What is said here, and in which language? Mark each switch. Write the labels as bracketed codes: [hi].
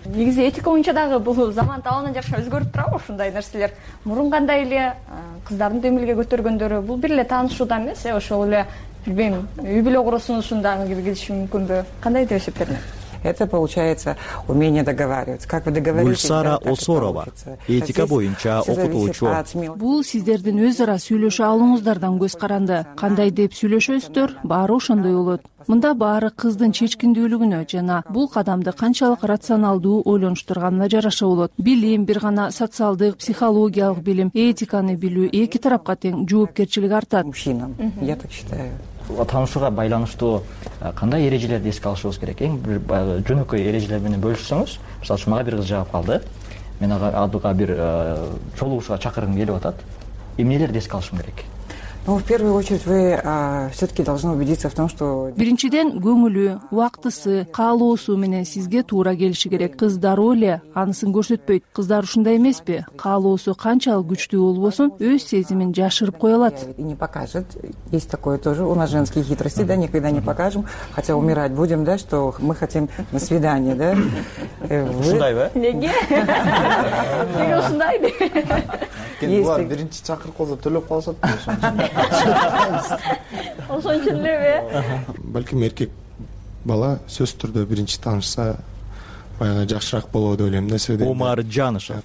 [ky] Негизи этика боюнча дагы бул заман талабына жакшы өзгөрүп турабы ушундай нерселер. Мурун кандай эле кыздардын демилге көтөргөндөрү бул бир эле таанышуудан эмес, э, ошол эле билбейм, үй бүлө куруусунун дагы киргизиши мүмкүнбү? Кандай деп эсептелет? [ru] Это получается умение договариваться. Как вы договариваетесь? [ky] Гульсара Осорова. Этика боюнча окутуучу. Бул сиздердин өз ара сүйлөшө алууңуздардан көз каранды. Кандай деп сүйлөшөсүздөр, баары ошондой болот. Мында баары кыздын чечкиндүүлүгүнө жана бул кадамды канчалык рационалдуу ойлонуштурганына жараша болот. Билим бир гана социалдык, психологиялык билим, этиканы билүү эки тарапка тең жоопкерчилик артат. [ru] Мужчинам, я так считаю. [ky] Таанышууга байланыштуу кандай эрежелерди эске алышыбыз керек? Эң бир жөнөкөй эрежелер менен бөлүшсөңүз, мисалы үчүн мага бир кыз жагып калды, мен ага адыга бир чолугушуга чакыргым келип атат, эмнелерди эске алышым керек? [ru] Ну, в первую очередь вы все-таки должны убедиться в том, что. [ky] Биринчиден көңүлү, уактысы, каалоосу менен сизге туура келиши керек. Кыздар оле, анысын көрсөтпөйт. Кыздар ушундай эмеспи? Каалоосу канчалык күчтүү болбосун, өз сезимин жашырып коёлат. [ru] Не покажет. Есть такое тоже. У нас женские хитрости, да, никогда не покажем. Хотя умирать будем, да, что мы хотим на свидание, да? [ky] Ушундай ба? Неге? Неге ушундай ба? Булар биринчи чакырып калса төлөп калышат. Ошончо эле беби? Балким эркек бала сөз түрдө биринчи таанышса баягы жакшыраак болобу деп ойлойм да. Омар Жанышев.